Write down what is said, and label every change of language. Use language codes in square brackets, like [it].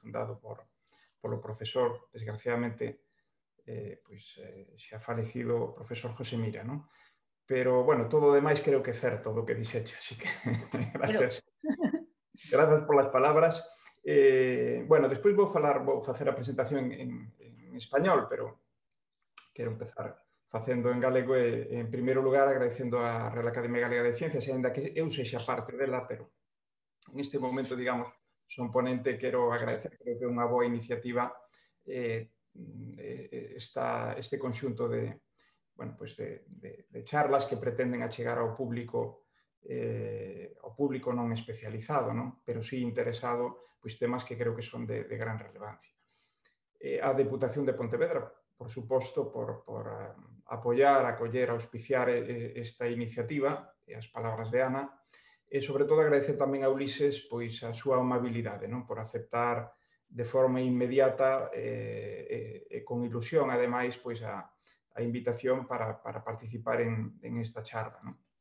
[gl] Fundado por o profesor, desgraciadamente, xa falecido o profesor José Mira, non? Pero, bueno, todo o demais creo que é certo do que dixeche, así que gracias. [es] Gracias por las palabras. [gl] Bueno, despois vou facer a presentación en español, pero quero empezar facendo en galego, en primeiro lugar, agradecendo a Real Academia Galega de Ciencias, ainda que eu sexa parte dela, pero en este momento, digamos, son ponente, quero agradecer, creo que é unha boa iniciativa este conxunto de, bueno, pues de charlas que pretenden achegar ao público non especializado, non? Pero sí interesado, pues, temas que creo que son de gran relevancia. A Deputación de Pontevedra, por suposto, por apoyar, acoller, auspiciar esta iniciativa, e as palabras de Ana, e sobre todo agradecer tamén a Ulises pois a súa amabilidade, non? Por aceptar de forma inmediata e con ilusión, ademais, pois a invitación para participar en esta charla, non?